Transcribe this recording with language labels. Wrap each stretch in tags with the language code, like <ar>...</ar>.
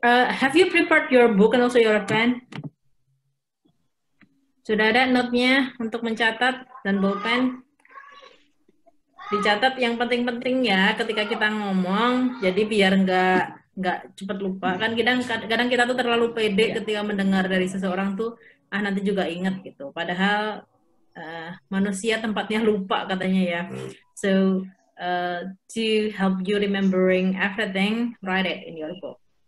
<en>Have you prepared your book and also your pen?</en> <id>Sudah ada note-nya untuk mencatat dan bolpen? Dicatat yang penting-penting ya ketika kita ngomong, jadi biar nggak cepat lupa. Kan kadang kita tuh terlalu pede ketika mendengar dari seseorang tuh, ah nanti juga ingat gitu. Padahal manusia tempatnya lupa katanya ya.</id> <en>So, to help you remembering everything, write it in your book.</en>